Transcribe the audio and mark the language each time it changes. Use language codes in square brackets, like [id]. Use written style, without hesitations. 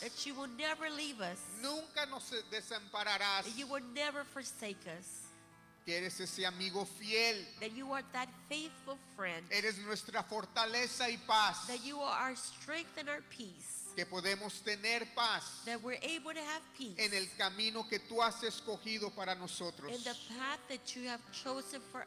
[en] That you will never leave us. [es] Nunca nos desampararás. [en] That you will never forsake us. [es] Que eres ese amigo fiel. [en] That you are that faithful friend. [es] Eres nuestra fortaleza y paz. [en] That you are our strength and our peace. [es] Que podemos tener paz. [en] That we're able to have peace. [es] En el camino que tú has escogido para nosotros. [en] In the path that you have chosen for us.